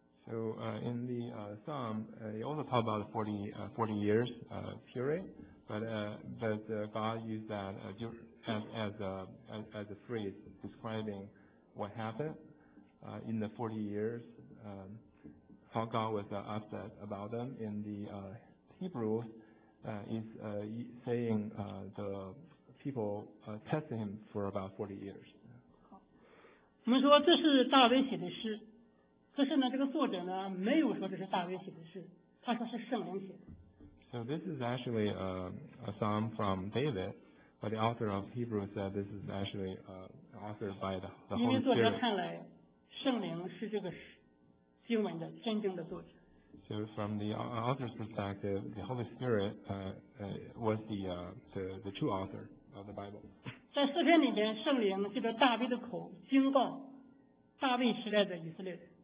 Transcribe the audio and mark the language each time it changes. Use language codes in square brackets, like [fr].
[en] So in the Psalm, it also talks about 40 years period, but God used that as a phrase describing what happened in the 40 years, how God was upset about them. In the Hebrew, is saying the people tested him for about 40 years. [zh] 我们说这是大卫写的诗，可是呢，这个作者呢没有说这是大卫写的诗，他说是圣灵写的。 [en] So this is actually a psalm from David, but the author of Hebrews said this is actually authored by the Holy Spirit. [zh] 因为作者看来，圣灵是这个经文的真正的作者。 [en] So from the author's perspective, the Holy Spirit was the true author of the Bible. [zh] 在诗篇里面，圣灵借着大卫的口警告大卫时代的以色列人。